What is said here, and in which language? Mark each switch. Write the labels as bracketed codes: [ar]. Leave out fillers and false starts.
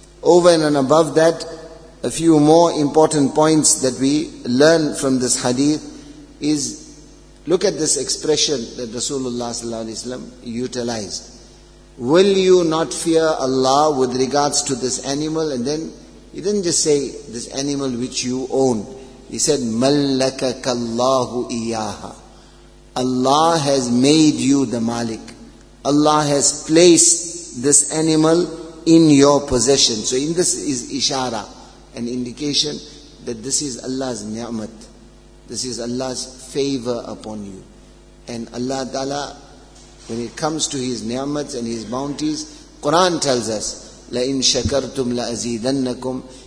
[en] Over and above that, a few more important points that we learn from this hadith is, look at this expression that Rasulullah sallallahu alaihi wasallam utilized. Will you not fear Allah with regards to this animal? And then he didn't just say this animal which you own. [ar] He said, مَلَّكَكَ اللَّهُ إِيَّاهَا. [en] Allah has made you the Malik. Allah has placed this animal in your possession. So in this is ishara, an indication that this is Allah's ni'mat. This is Allah's favor upon you. And Allah Ta'ala, when it comes to His ni'mats and His bounties, Quran tells us, [ar] لَإِن شَكَرْتُمْ لَأَزِيدَنَّكُمْ.